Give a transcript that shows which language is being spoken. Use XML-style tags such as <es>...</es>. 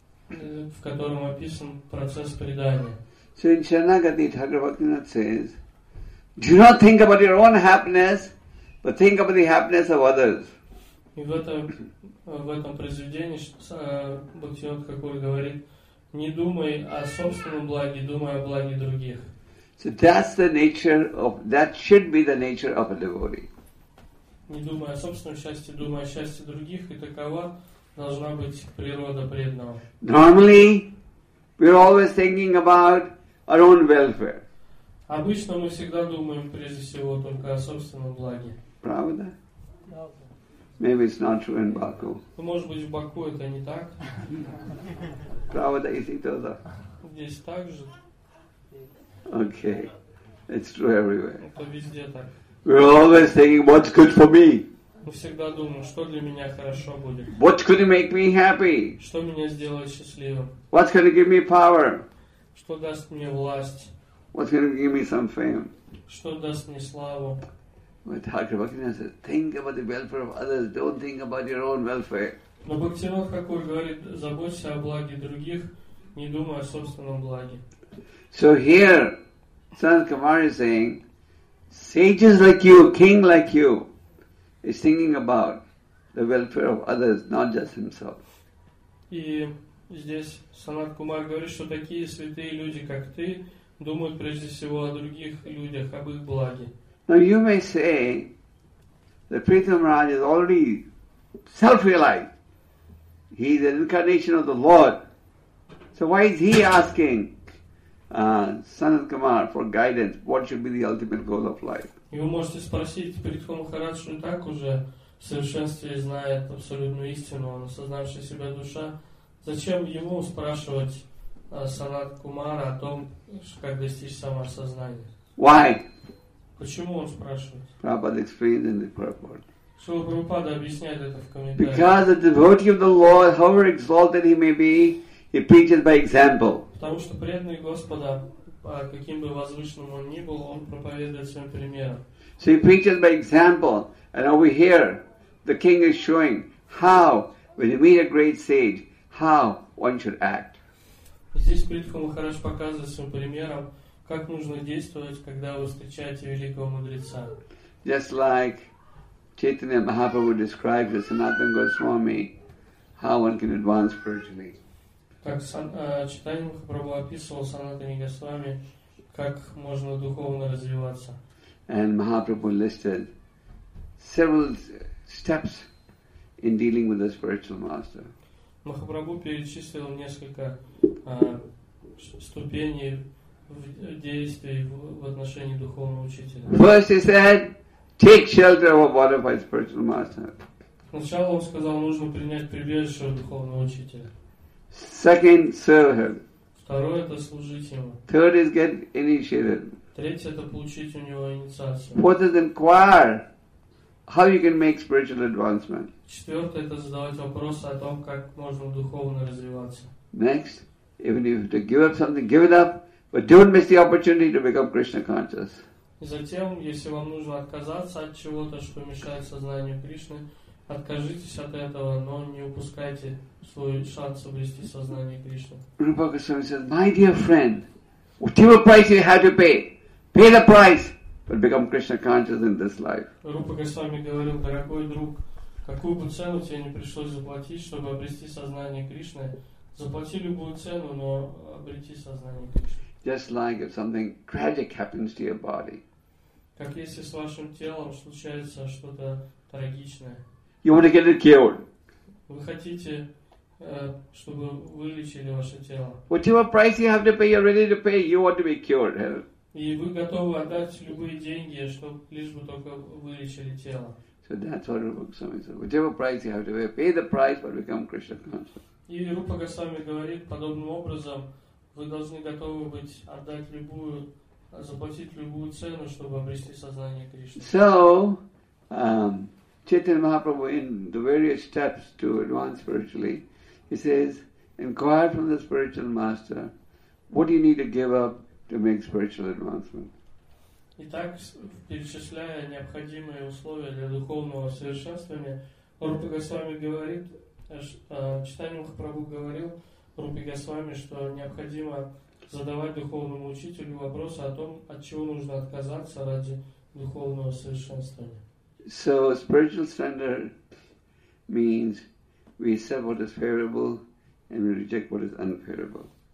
<ru>В котором описан процесс предания.</ru> <en>So in Sharanagati, Thakur Bhaktivinod says, do not think about your own happiness, but think about the happiness of others.</en> <ru>И в этом произведении Бхактивинод Хакур говорит, не думай о собственном благе, думай о благе других.</ru> <en>So that's the nature of, that should be the nature of a devotee.</en> <ru>Не думай о собственном счастье, думай о счастье других, и такова должна быть природа преданного.</ru> <en>Normally, we're always thinking about our own welfare.</en> <ru>Обычно мы всегда думаем прежде всего только о собственном благе. Правда?</ru> <en>Maybe it's not true in Baku.</en> <ru>Может быть, в Баку это не так. Правда, если тоже. Здесь так же.</ru> <en>Okay. It's true everywhere.</en> <ru>Это везде так.</ru> <en>We're always thinking, what's good for me?</en> <ru>Мы всегда думаем, что для меня хорошо будет.</ru> <en>What could make me happy?</en> <ru>Что меня сделает счастливым?</ru> <en>What's going to give me power?</en> <ru>Что даст мне власть?</ru> <en>What's going to give me some fame?</en> <ru>Что даст мне славу?</ru> <en>But Thakur Bhaktivinoda says, think about the welfare of others, don't think about your own welfare.</en> <ru>Но Бхактивинод Хакур говорит, заботься о благе других, не думай о собственном благе.</ru> <en>So here, Sanat Kumar is saying, sages like you, king like you, is thinking about the welfare of others, not just himself.</en> <ru>И здесь Санат Кумар говорит, что такие святые люди, как ты, думают прежде всего о других людях, об их благе.</ru> <en>Now you may say that Prithvi Maharaj is already self-realized. He is an incarnation of the Lord. So why is he asking Sanat Kumar for guidance? What should be the ultimate goal of life?</en> <ru>You можете спросить Prithvi Maharaj, что так уже в совершенстве знает абсолютную истину, он осознавший себя душа. Зачем ему спрашивать Санат Кумара о том, как достичь самосознания?</ru> <en>Why?</en> <ru>Почему он спрашивает?</ru> <en>Prabhupada explains in the purport.</en> <ru>Шрила Прабхупада объясняет это в комментариях.</ru> <en>Because the devotee of the Lord, however exalted he may be, he preaches by example.</en> <ru>Потому что преданный Господа, каким бы возвышенным он ни был, он проповедует своим примером.</ru> <en>So he preaches by example. And over here, the king is showing how, when you meet a great sage, how one should act.</en> <ru>Здесь Прабху Махарадж показывает своим примером, как нужно действовать, когда вы встречаете великого мудреца.</ru> <en>Just like Chaitanya Mahaprabhu described as Sanatana Goswami, how one can advance spiritually.</en> <ru>Так Chaitanya Mahaprabhu описывал Sanatana Goswami, как можно духовно развиваться.</ru> <en>And Mahaprabhu listed several steps in dealing with the spiritual master.</en> <ru>Махапрабху перечислил несколько ступеней в действии в отношении духовного учителя.</ru> <en>First he said, take shelter of a bona fide spiritual master.</en> <ru>Сначала он сказал, нужно принять прибежище от духовного учителя.</ru> <en>Second, serve him.</en> <ru>Второе, это служить ему.</ru> <en>Third is get initiated.</en> <ru>Третье, это получить у него инициацию.</ru> <en>Fourth is inquire how you can make spiritual advancement.</en> <ru>Четвертое, это задавать вопросы о том, как можно духовно развиваться.</ru> <en>Next, even if you have to give up something, give it up, but don't miss the opportunity to become Krishna conscious.</en> <ru>Затем, если вам нужно отказаться от чего-то, что мешает сознанию Кришны, откажитесь от этого, но не упускайте свой шанс обрести сознание Кришны.</ru> <en>Rupa Goswami says, my dear friend, whatever price you have to pay, pay the price, but become Krishna conscious in this life.</en> <ru>Rupa Goswami говорил, дорогой друг, какую бы цену тебе не пришлось заплатить, чтобы обрести сознание Кришны, заплати любую цену, но обрети сознание Кришны.</ru> <en>Just like if something tragic happens to your body.</en> <ru>Как если с вашим телом случается что-то трагичное.</ru> <en>You want to get it cured.</en> <ru>Вы хотите, чтобы вылечили ваше тело.</ru> <en>Whatever price you have to pay, you're ready to pay. You want to be cured.</en> <ru>И вы готовы отдать любые деньги, чтобы лишь бы только вылечили тело.</ru> <en>So that's what Rupa Goswami said. Whatever price you have to pay, pay the price, but become Krishna conscious.</en> <ru>И Рупа Госвами говорит подобным образом, вы должны готовы быть отдать любую, заплатить любую цену, чтобы обрести сознание Кришны.</ru> <en>So, Chaitanya Mahaprabhu in the various steps to advance spiritually, he says, inquire from the spiritual master, what do you need to give up to make spiritual advancement?</en> <ru>Итак, перечисляя необходимые условия для духовного совершенствования, Рупа Госвами говорит, Чайтанья Махапрабху говорил Рупе Госвами, что необходимо задавать духовному учителю вопросы о том, от чего нужно отказаться ради духовного совершенствования.</ru> <en>So spiritual standard means we accept what is favorable and we reject what is unfavorable.</en>